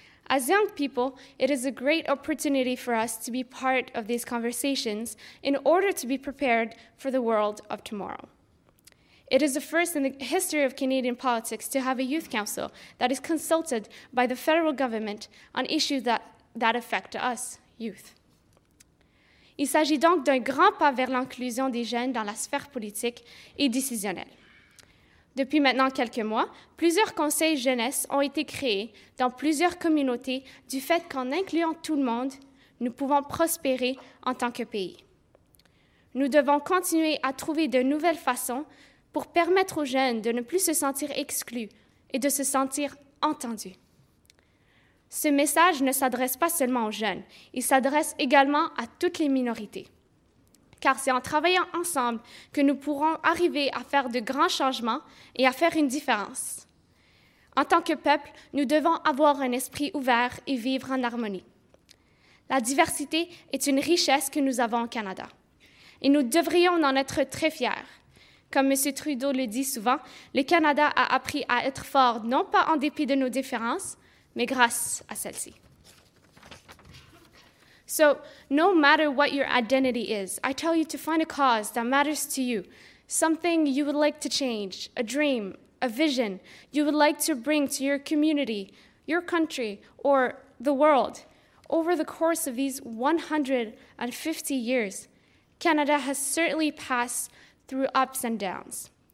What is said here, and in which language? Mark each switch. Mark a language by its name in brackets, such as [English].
[English] As young people, it is a great opportunity for us to be part of these conversations in order to be prepared for the world of tomorrow. It is the first in the history of Canadian politics to have a youth council that is consulted by the federal government on issues that affect us, youth. [French] Il s'agit donc d'un grand pas vers l'inclusion des jeunes dans la sphère politique et décisionnelle. Depuis maintenant quelques mois, plusieurs conseils jeunesse ont été créés dans plusieurs communautés du fait qu'en incluant tout le monde, nous pouvons prospérer en tant que pays. Nous devons continuer à trouver de nouvelles façons pour permettre aux jeunes de ne plus se sentir exclus et de se sentir entendus. Ce message ne s'adresse pas seulement aux jeunes, il s'adresse également à toutes les minorités. Car c'est en travaillant ensemble que nous pourrons arriver à faire de grands changements et à faire une différence. En tant que peuple, nous devons avoir un esprit ouvert et vivre en harmonie. La diversité est une richesse que nous avons au Canada. Et nous devrions en être très fiers. Comme M. Trudeau le dit souvent, le Canada a appris à être fort non pas en dépit de nos différences, mais grâce à celle-ci. [English] So, no matter what your identity is, I tell you to find a cause that matters to you, something you would like to change, a dream, a vision you would like to bring to your community, your country, or the world. Over the course of these 150 years, Canada has certainly passed through ups and downs.